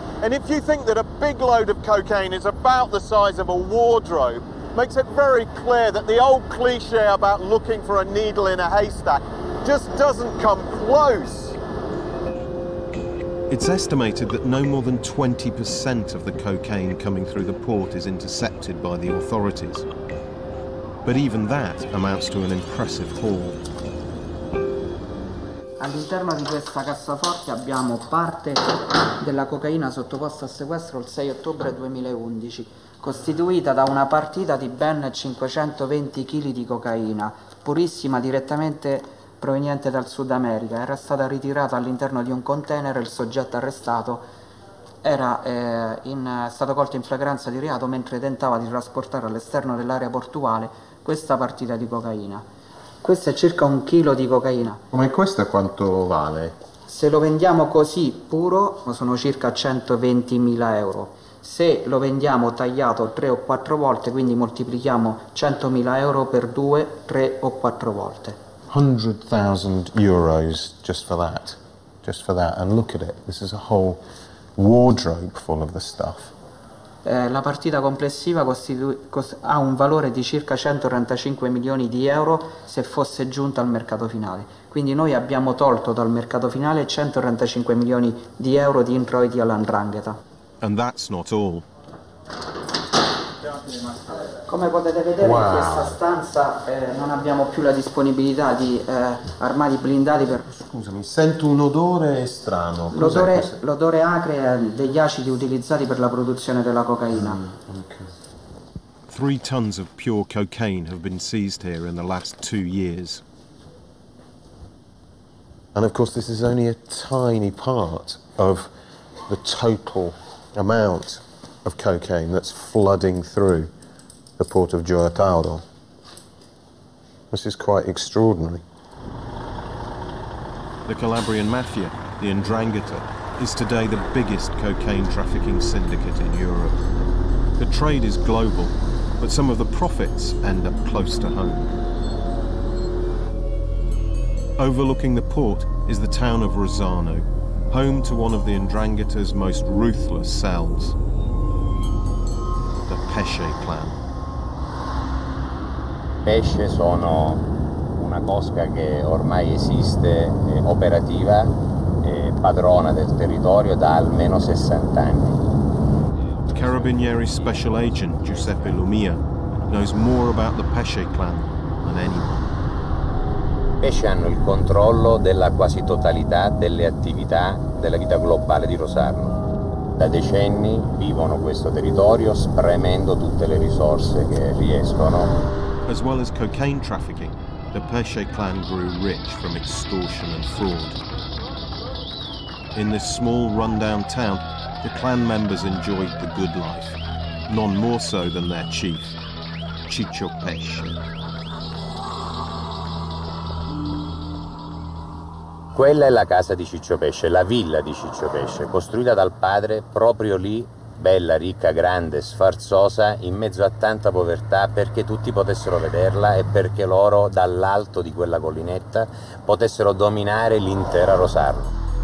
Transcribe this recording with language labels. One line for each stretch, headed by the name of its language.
English: And if you think that a big load of cocaine is about the size of a wardrobe, makes it very clear that the old cliche about looking for a needle in a haystack just doesn't come close. It's estimated that no more than 20% of the cocaine coming through the port is intercepted by the authorities. But even that amounts to an impressive haul.
Italian: All'interno di questa cassaforte abbiamo parte della cocaina sottoposta a sequestro il 6 ottobre 2011, costituita da una partita di ben 520 kg di cocaina, purissima, direttamente proveniente dal Sud America. Era stata ritirata all'interno di un container, il soggetto arrestato era stato colto in flagranza di reato mentre tentava di trasportare all'esterno dell'area portuale questa partita di cocaina. Questo è circa un chilo di cocaina. Ma questo quanto vale? Se lo vendiamo così puro sono circa 120.000 euro. Se lo vendiamo tagliato 3 o 4 volte, quindi moltiplichiamo 100.000 euro per 2, 3 o 4 volte.
English: 100.000 euros just for that. Just for that. And look at it. This is a whole wardrobe full of the stuff.
Italian: La partita complessiva ha un valore di circa 135 milioni di euro se fosse giunta al mercato finale. Quindi noi abbiamo tolto dal mercato finale 135 milioni di euro di introiti alla 'Ndrangheta.
English: And that's not all.
Italian: Come potete vedere, wow, in questa stanza non abbiamo più la disponibilità di armadi blindati per... Scusami, sento un odore strano. L'odore acre degli acidi utilizzati per la produzione della cocaina. Okay.
English: 3 tons of pure cocaine have been seized here in the last 2 years. And of course this is only a tiny part of the total amount of cocaine that's flooding through the port of Gioia Tauro. This is quite extraordinary. The Calabrian Mafia, the 'Ndrangheta, is today the biggest cocaine trafficking syndicate in Europe. The trade is global, but some of the profits end up close to home. Overlooking the port is the town of Rosano, home to one of the 'Ndrangheta's most ruthless cells. pesce clan.
Italian: Pesce sono una cosca che ormai esiste, operativa, padrona del territorio da almeno 60 anni.
English: Carabinieri special agent Giuseppe Lumia knows more about the pesce clan than anyone.
Italian: Pesce hanno il controllo della quasi totalità delle attività della vita globale di Rosarno. Da decenni vivono questo territorio spremendo tutte le risorse che riescono.
English: As well as cocaine trafficking, the Pesce clan grew rich from extortion and fraud. In this small rundown town, the clan members enjoyed the good life, none more so than their chief, Chicho Pesce.
Italian: Quella è la casa di Ciccio Pesce, la villa di Ciccio Pesce, costruita dal padre proprio lì, bella, ricca, grande, sfarzosa, in mezzo a tanta povertà, perché tutti potessero vederla e perché loro, dall'alto di quella collinetta, potessero dominare l'intera Rosarno.